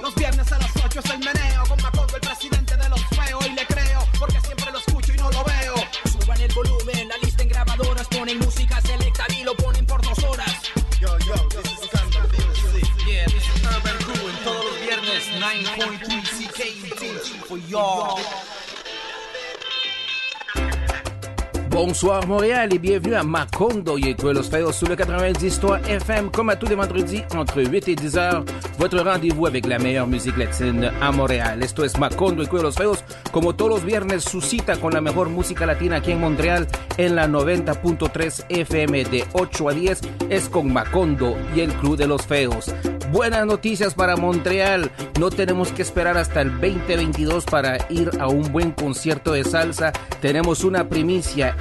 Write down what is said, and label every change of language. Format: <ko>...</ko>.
<es>Los viernes a las 8 es el meneo con Macondo, el presidente de los feos, y le creo porque siempre lo escucho y no lo veo. Suban el volumen, la lista en grabadoras pone música selecta y lo ponen por dos horas.</es> <en>Yo, yo, this is Thunder Music. Yeah, this is Urban Crew, and</en> <es>todos los viernes</es> <en>9.3 CKUT for y'all.</en> <fr>Bonsoir Montréal et bienvenue à Macondo, Yekwe Los Feos sur le 90.3 FM, comme à tous les vendredis entre 8 et 10 heures, votre rendez-vous avec la meilleure musique latine à Montréal.</fr> <es>Esto es Macondo, Yekwe Los Feos, como todos los viernes, su cita con la mejor música latina aquí en Montreal, en la 90.3 FM de 8 a 10, es con Macondo y el Club de Los Feos. Buenas noticias para Montreal, no tenemos que esperar hasta el 2022 para ir a un buen concierto de salsa, tenemos una primicia.</es>